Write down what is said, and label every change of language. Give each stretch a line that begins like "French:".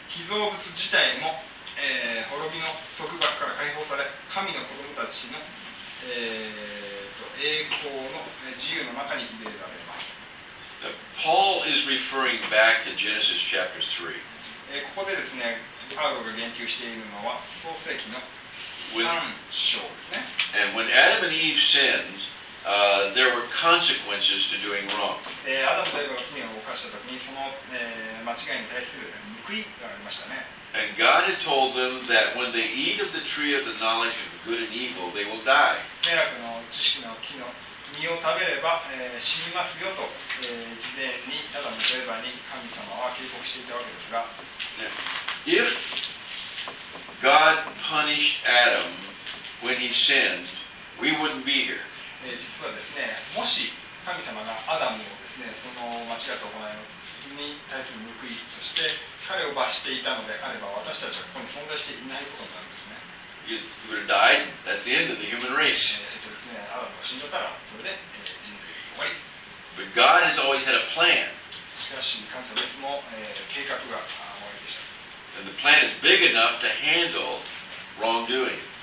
Japanese: 被造物自体も、滅びの束縛から解放され、神の子供たちの、栄光の自由の中に入れられます。
English: Paul is referring back to Genesis chapter 3.
Japanese: ここでですね、パウロが言及しているのは創世記の3章ですね。
English: And when Adam and Eve sinned, there were consequences to doing wrong.
Japanese: アダムとエヴァが罪を犯した時にその、間違いに対する報いがありましたね。
English: And God had told them that when they eat of the tree of the knowledge of good and evil, they will die.
Japanese: 契約の知識の木の実を食べれば、死にますよと、事前にアダムとエヴァに神様は警告していたわけですが。
English: If God punished Adam when he sinned, we wouldn't be here.
Japanese: 実はですね、もし神様がアダムをですね、その間違った行いに対する報いとして彼を罰していたのであれば、私たちはここに存在していないことになるんですね。
English: You would have died. That's the end of the human race.
Japanese: ですね、アダムが死んじゃったらそれで、人類は終わり。
English: But God has always had a plan.
Japanese: しかし神様はいつも、計画が終わりでした。
English: And the plan is big enough to handle wrongdoing.